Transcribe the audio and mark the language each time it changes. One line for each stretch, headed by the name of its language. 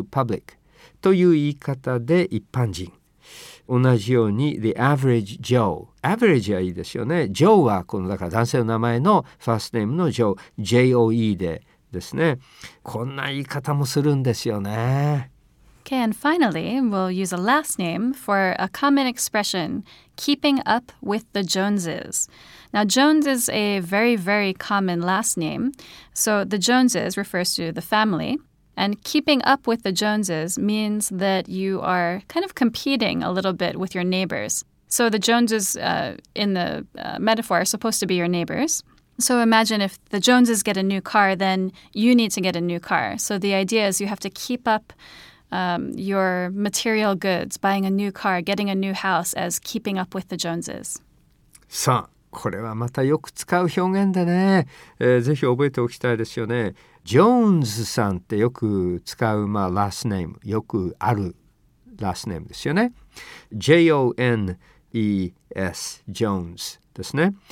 Japanese: Publicという言い方で一般人。同じように The Average Joe、 Average はいいですよね。 Joe はこのだから男性の名前のファーストネームの Joe、 J-O-E でですね、こんな言い方もするんですよね。
English: Okay, and finally we'll use a last name for a common expression, keeping up with the Joneses. Now Jones is a very, very common last name, so the Joneses refers to the family. And keeping up with the Joneses means that you are kind of competing a little bit with your neighbors. So the Joneses in the metaphor are supposed to be your neighbors. So imagine if the Joneses get a new car, then you need to get a new car. So the idea is you have to keep up your material goods, buying a new car, getting a new house as keeping up with the Joneses. So.
Japanese: これはまたよく使う表現でね、ぜひ覚えておきたいですよね。ジョーンズさんってよく使う、まあ、ラストネーム、よくあるラストネームですよね。 J-O-N-E-S、ジョーンズですね。